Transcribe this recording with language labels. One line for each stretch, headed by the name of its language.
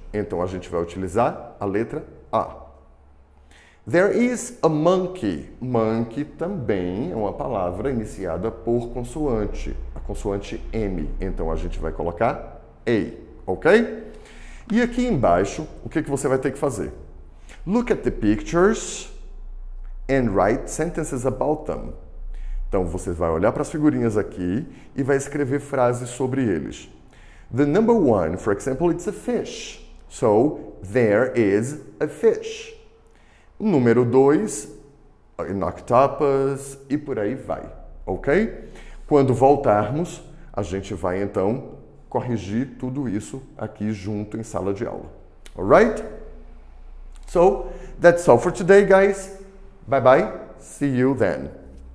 Portuguese: Então, a gente vai utilizar a letra A.
English: There is a monkey.
Portuguese: Monkey também é uma palavra iniciada por consoante. A consoante M. Então, a gente vai colocar A. Ok? E aqui embaixo, o que você vai ter que fazer?
English: Look at the pictures and write sentences about them.
Portuguese: Então, você vai olhar para as figurinhas aqui e vai escrever frases sobre eles.
English: The number one, for example, it's a fish. So, there is a fish.
Portuguese: Número 2,
English: an octopus,
Portuguese: e por aí vai, ok? Quando voltarmos, a gente vai, então, corrigir tudo isso aqui junto em sala de aula.
English: Alright? So, that's all for today, guys. Bye-bye. See you then.